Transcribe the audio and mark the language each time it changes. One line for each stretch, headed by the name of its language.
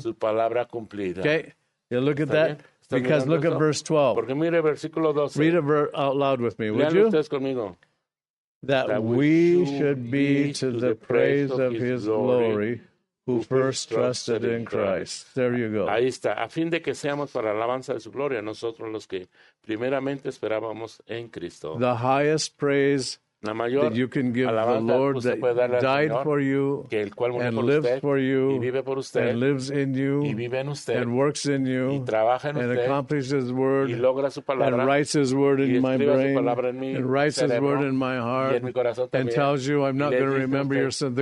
Spanish: Su palabra cumplida.
English: Okay, you look at that. Because look at verse 12.
Spanish: Porque mire versículo 12.
English: Read it out loud with me, would you?
Spanish: Ustedes conmigo.
English: That we should be to the praise of his glory who first trusted in Christ. There you go.
Spanish: Ahí está. A fin de que seamos para alabanza de su gloria, nosotros los que primeramente esperábamos en Cristo.
English: The highest praise that you can give the Lord that died for you and lives for you and lives in you and works in you and accomplishes His word and writes His word in my brain and writes His word in my heart and tells you I'm not going to remember your sin.